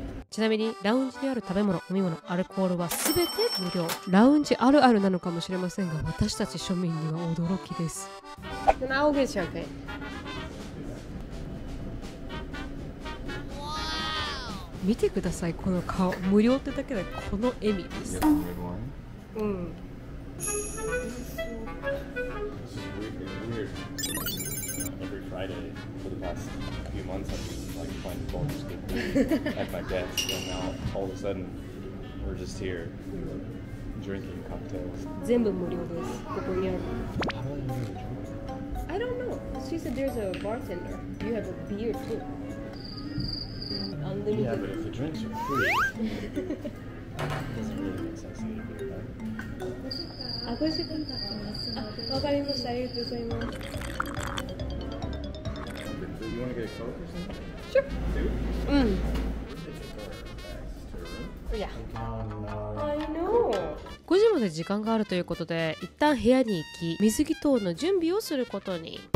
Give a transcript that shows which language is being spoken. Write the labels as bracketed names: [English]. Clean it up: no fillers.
[Japanese] ちなみにラウンジにある食べ物、飲み物、アルコールは全て無料。ラウンジあるあるなのかもしれませんが、私たち庶民には驚きです。見てください、この顔。無料ってだけでこの笑みです。 [English] At my desk, and now all of a sudden we're just here drinking cocktails. [Japanese] 全部無料です。ここにある。 [English] How do you drink? I don't know. She said there's a bartender. You have a beer too. Unlimited. Yeah, but if the drinks are free, it doesn't really make sense to eat it, right? [Japanese] あ、これ時間経ってます。わかりました。ありがとうございます。 [English] Do you Mm. Yeah. I know. [Japanese] 5時まで時間があるということで、一旦部屋に行き、水着等の準備をすることに。